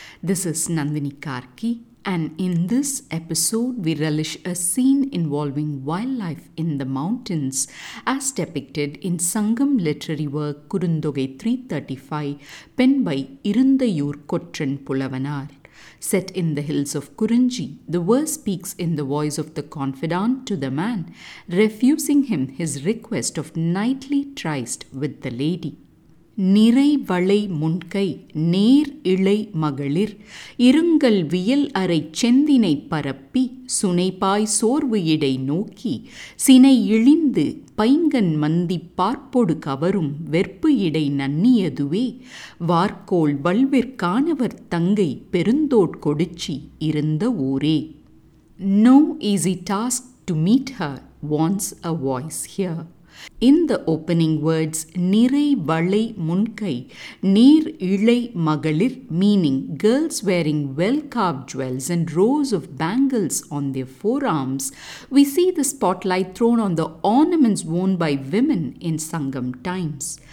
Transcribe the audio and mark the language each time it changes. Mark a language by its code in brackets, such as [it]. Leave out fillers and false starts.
[en] This is Nandini Karki, and in this episode we relish a scene involving wildlife in the mountains as depicted in Sangam literary work Kurundogai 335 penned by Irundayur Kotran Pulavanar. Set in the hills of Kurunji, the verse speaks in the voice of the confidant to the man, refusing him his request of nightly tryst with the lady. [ta] நிறை வளை முன்கை நேர் இளை மகளிர் இருங்கள் வியல் அறை செந்தினை பரப்பி சுனைபாய் சோர்வு இடை நோக்கி சினை இழிந்து பைங்கன் மந்தி பார்ப்பொடு கவரும் வெற்பு இடை நன்னியதுவே வார்க்கோல் வல்விற்கானவர் தங்கை பெருந்தோட்கொடுச்சி இருந்த ஊரே. [en] No easy task to meet her once a voice here. In the opening words, Nirai Valai Munkai, Nir Ilai Magalir, meaning girls wearing well-carved jewels and rows of bangles on their forearms, we see the spotlight thrown on the ornaments worn by women in Sangam times.